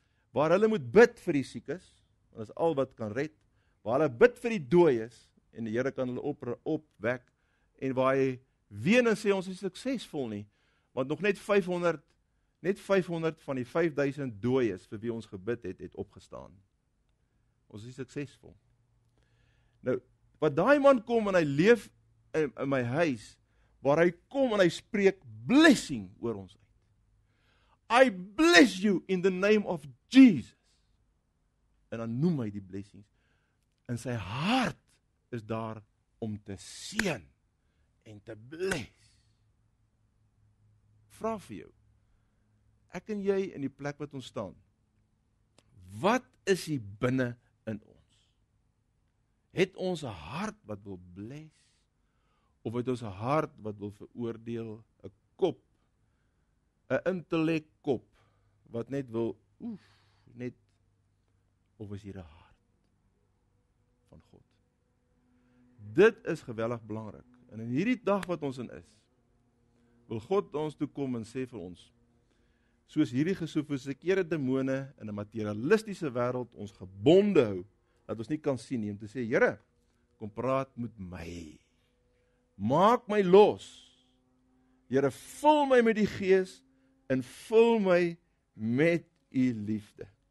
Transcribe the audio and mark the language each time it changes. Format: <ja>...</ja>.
<af>waar hulle moet bid vir die siekes, want dit is al wat kan red, waar hulle bid vir die dooies, en die Here kan hulle opwek, en waar hy ween en sê, ons is suksesvol nie, want nog net 500 van die 5000 dooies, vir wie ons gebid het, het opgestaan. Ons is suksesvol. Nou, wat daai man kom, en hy leef in my huis, waar hy kom en hy spreek blessing oor ons uit.</af> <en>I bless you in the name of Jesus.</en> <af>En dan noem hy die blessings. En sy hart is daar om te seën en te bless. Vra vir jou, ek en jy in die plek wat ons staan, wat is hier binne in ons? Het ons een hart wat wil bless? Of het ons een hart wat wil veroordeel, een kop, een intellect kop, wat net wil, oef, net, of is hier een hart van God? Dit is geweldig belangrijk. En in hierdie dag wat ons in is, wil God ons toekom en sê vir ons, soos hierdie gesofistikeerde demone in 'n materialistiese wereld ons gebonde hou, dat ons nie kan sien nie, om te sê, Here, kom praat met my. Maak my los. Here, vul my met die gees en vul my met u liefde.</af>